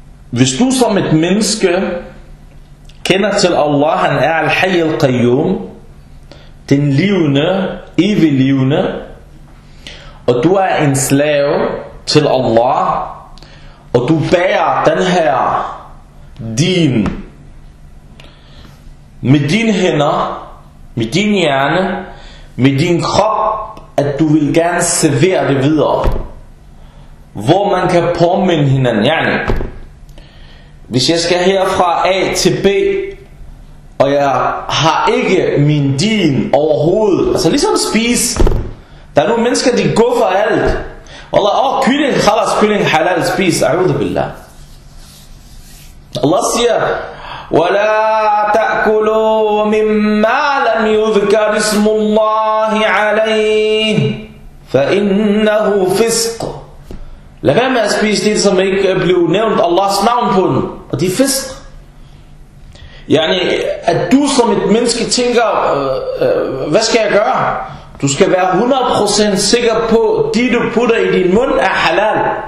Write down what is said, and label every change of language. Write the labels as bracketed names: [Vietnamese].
[Danish] Hvis du som et menneske kender til Allah, han er al-hayy al-qayyum, den livende, evig livende, og du er en slave til Allah, og du bærer den her din med dine hænder, med din hjerne, med din krop, at du vil gerne servere det videre, hvor man kan påminde hinanden. Hvis jeg skal herfra A til B, og jeg har ikke min din overhovedet, altså ligesom spise. Der er nogle mennesker, de guffer alt. Wallah, kylling, khalas, kylling, halal, spis. A'udhu billah. Allah siger, [Arabic] وَلَا تَأْكُلُوا مِمَّا لَمْ يُذْكَرِ اسْمُ اللَّهِ عَلَيْهِ فَإِنَّهُ فِسْقُ. [Danish] Lad være med at spise det, som ikke blev nævnt Allahs navn på den. Og det er fisk. Yani, at du som et menneske tænker, hvad skal jeg gøre? Du skal være 100% sikker på, at det du putter i din mund er halal.